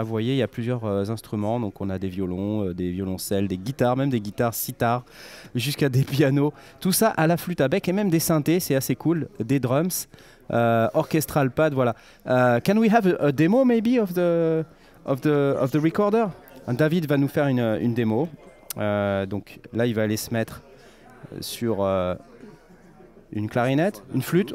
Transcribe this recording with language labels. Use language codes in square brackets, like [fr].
[fr] Là, vous voyez, il y a plusieurs instruments, donc on a des violons, des violoncelles, des guitares, même des guitares sitar, jusqu'à des pianos. Tout ça à la flûte à bec et même des synthés, c'est assez cool, des drums, orchestral pad, voilà. [en] Can we have a demo maybe of the Recorder? [fr] David va nous faire une démo. Donc là, il va aller se mettre sur une clarinette, une flûte.